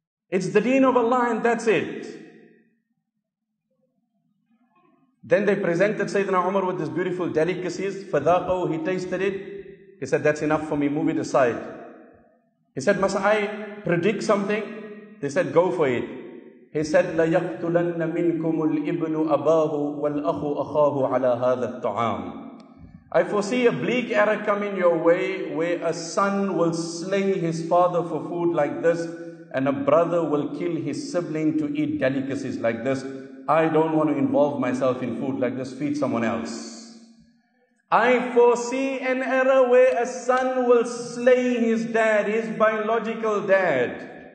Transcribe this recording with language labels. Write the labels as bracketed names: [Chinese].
[English] It's the deen of Allah and that's it. Then they presented Sayyidina Umar with these beautiful delicacies. Fadaqahu, he tasted it. He said, that's enough for me, move it aside. He said, must I predict something? They said, go for it. He said, [Arabic] لَيَقْتُلَنَّ مِنْكُمُ الْإِبْنُ أَبَاهُ وَالْأَخُ أَخَاهُ عَلَىٰ هَذَا الطَّعَامُ. [English] I foresee a bleak era coming your way where a son will slay his father for food like this and a brother will kill his sibling to eat delicacies like this. I don't want to involve myself in food like this. Feed someone else. I foresee an era where a son will slay his dad, his biological dad.